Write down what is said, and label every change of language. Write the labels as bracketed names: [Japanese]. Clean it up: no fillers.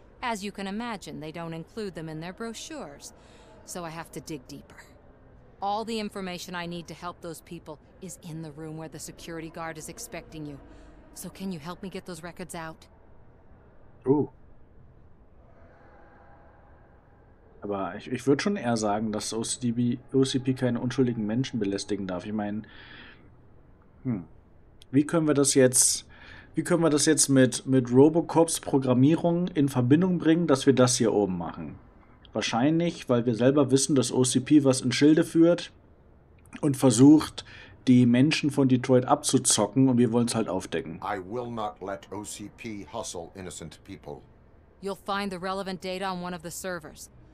[English] As you can imagine, they don't include them in their brochures, so I have to dig deeper. All the information I need to help those people is in the room where the security guard is expecting you. So can you help me get those records out? Oh. [German] Aber ich würde schon eher sagen, dass OCP keine unschuldigen Menschen belästigen darf. Ich meine, wie können wir das jetzt mit Robocops Programmierung in Verbindung bringen, dass wir das hier oben machen? Wahrscheinlich, weil wir selber wissen, dass OCP was in Schilde führt und versucht, die Menschen von Detroit abzuzocken, und wir wollen es halt aufdecken. [English] I will not let OCP hustle innocent people. You'll find the relevant data on one of the servers.